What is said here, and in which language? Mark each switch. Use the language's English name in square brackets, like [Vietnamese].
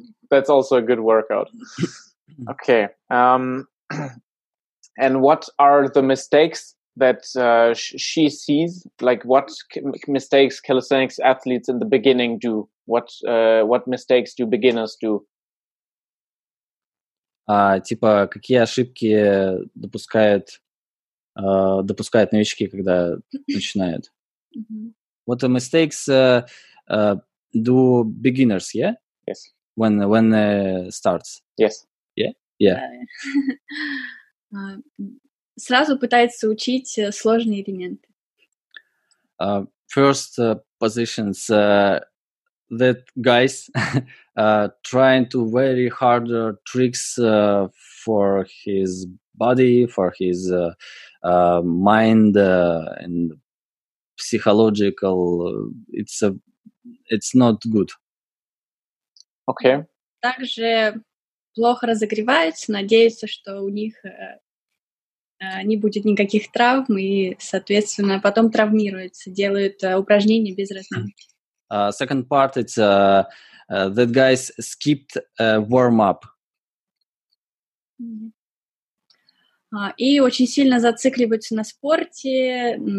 [English] That's also a good workout. Okay. And what are the mistakes that she sees? Like, what mistakes calisthenics athletes in the beginning do? What mistakes do beginners do? [Russian] Типа, какие ошибки допускают? Допускают новички, когда начинают. Mm-hmm. [English] What the mistakes do beginners, yeah? Yes. When starts. Yes. Yeah? Yeah. [Russian] Сразу пытается учить сложные элементы. [English] First positions, that guys trying to very harder tricks for his body, for his mind and psychological, it's not good. Okay. [Russian] Также плохо разогреваются, надеются, что у них не будет никаких травм и, соответственно, потом травмируются, делают упражнения без разминки. [English] Second part, it's that guys skipped warm-up. [Russian] И очень сильно зацикливаются на спорте.